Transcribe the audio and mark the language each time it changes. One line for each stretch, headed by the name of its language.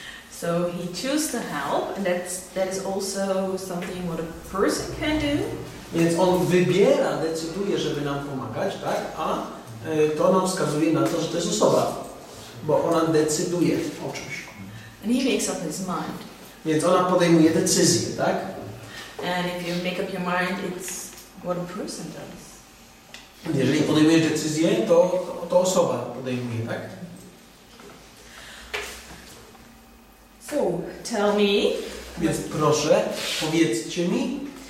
English: So he chooses to help, and that is also something what a person can do.
Polish: Więc on wybiera, decyduje, żeby nam pomagać, tak? A to nam wskazuje na to, że to jest osoba. bo ona decyduje o czymś.
English: And he makes up his mind.
Polish: Więc ona podejmuje decyzję, tak?
English: And if you make up your mind, it's what a person does.
Polish: Jeżeli podejmujesz decyzję, to osoba podejmuje, tak?
English: So, tell me.
Polish: Więc proszę, powiedzcie mi.